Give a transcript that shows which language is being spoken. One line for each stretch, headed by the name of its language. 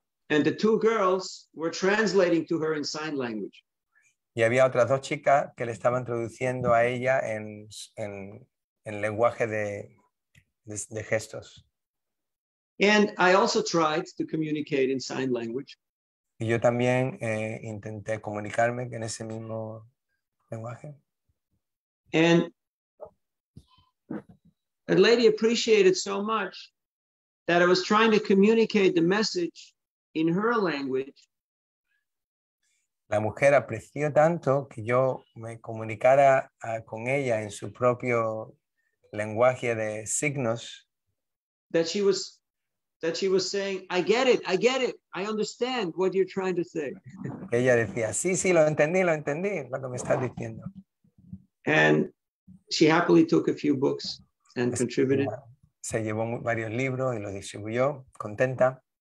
English: And the two girls were translating to her in sign language.
Spanish: Y había otras dos chicas que le estaban traduciendo a ella en lenguaje de gestos.
English: And I also tried to communicate in sign language.
Spanish: Y yo también intenté comunicarme en ese mismo lenguaje.
English: And the lady appreciated so much that I was trying to communicate the message in her language.
Spanish: La mujer apreció tanto que yo me comunicara con ella en su propio lenguaje de signos.
English: That she was saying, I get it, I understand what you're trying to say.
Spanish: Ella decía, sí, sí, lo entendí, lo que me estás diciendo.
English: And she happily took a few books and contributed.
Spanish: Se llevó varios libros y los distribuyó, contenta.